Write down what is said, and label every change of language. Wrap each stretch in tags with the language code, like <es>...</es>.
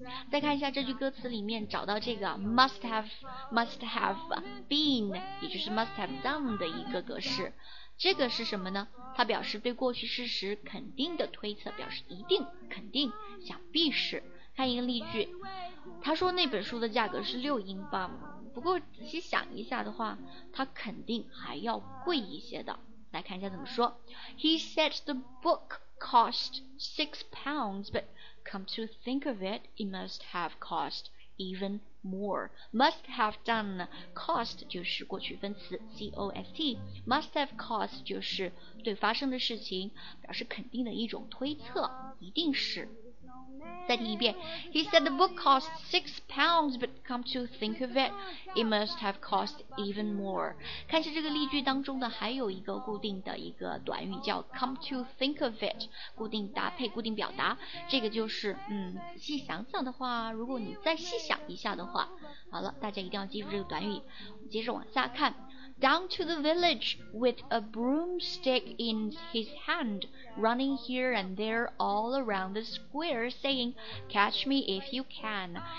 <zh>再看一下这句歌词里面找到这个</zh> <en>must have been，</en> <zh>也就是 must have done 的一个格式。这个是什么呢？它表示对过去事实肯定的推测，表示一定、肯定、想必是。看一个例句，他说那本书的价格是6英镑，不过仔细想一下的话，它肯定还要贵一些的。来看一下怎么说。</zh> <en>He said the book cost 6 pounds, but come to think of it, it must have cost even more.</en> <zh>Must have done cost 就是过去分词 cost，</zh> <en>must have cost</en> <zh>就是对发生的事情表示肯定的一种推测，一定是。再听一遍，</zh> <en>He said the book cost 6 pounds, but come to think of it, it must have cost even more.</en> <zh>看一下这个例句当中的还有一个固定的一个短语叫</zh> <en>come to think of it，</en> <zh>固定搭配、固定表达。这个就是仔细想想的话，如果你再细想一下的话。好了，大家一定要记住这个短语。接着往下看，</zh> <en>down to the village with a broomstick in his hand, running here and there all around the square, saying, "Catch me if you can."</en>